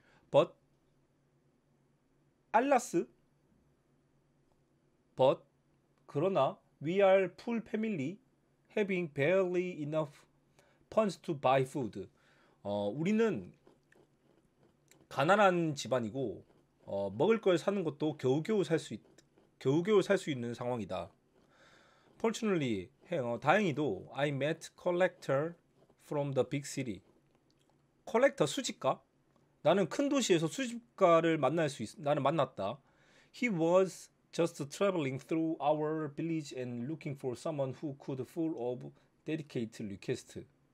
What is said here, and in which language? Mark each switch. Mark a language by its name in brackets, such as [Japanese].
[English] But [Korean] 그러나 [English] we are full family having barely enough funds to buy food. [Korean] 우리는 가난한 집안이고 먹을 걸 사는 것도 겨우겨우 살 수 있는 상황이다. [English] Fortunately, [Korean] 다행히도 [English] I met collector from the big city. [Korean] 컬렉터 수집가? 나는 큰 도시에서 수집가를 만났다. [English] He was just traveling through our village and looking for someone who could full of dedicate request.